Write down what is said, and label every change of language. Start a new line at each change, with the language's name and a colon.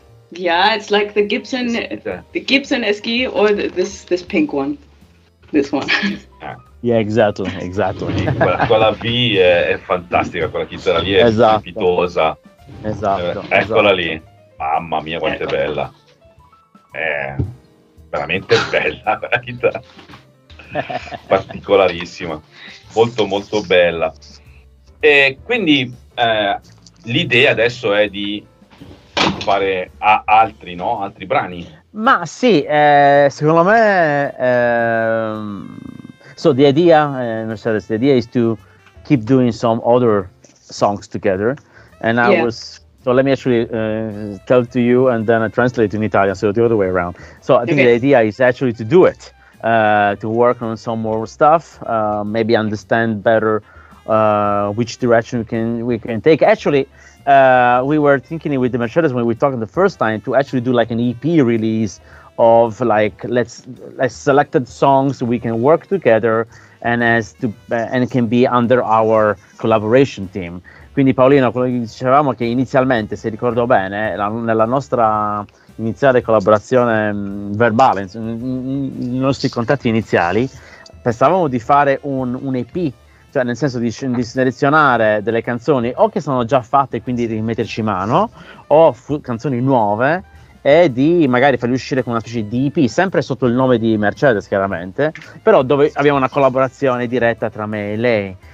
English: Yeah, it's like the Gibson SG, or this pink one, this one. Yeah, exactly.
Italian: Quella B è fantastica, quella chitarra lì è strepitosa. Esatto. Eccola lì. Mamma mia, quanto è bella. È veramente bella la chitarra. Particolarissima. Molto, molto bella. E quindi l'idea adesso è di fare altri brani. Ma sì, secondo me
English: the idea is to keep doing some other songs together, and I was So let me actually tell it to you and then I translate it in Italian, so the other way around. So I think the idea is actually to do it, to work on some more stuff, maybe understand better which direction we can take. Actually, we were thinking with the Mercedes when we talked the first time to actually do like an EP release of like let's selected songs we can work together and as to and it can be under our collaboration team.
Italian: Quindi Paolino, quello che dicevamo che inizialmente, se ricordo bene, nella nostra iniziale collaborazione verbale, nei nostri contatti iniziali, pensavamo di fare un EP, cioè nel senso di selezionare delle canzoni o che sono già fatte, quindi di metterci mano, o canzoni nuove e di magari farli uscire con una specie di EP, sempre sotto il nome di Mercedes chiaramente, però dove abbiamo una collaborazione diretta tra me e lei.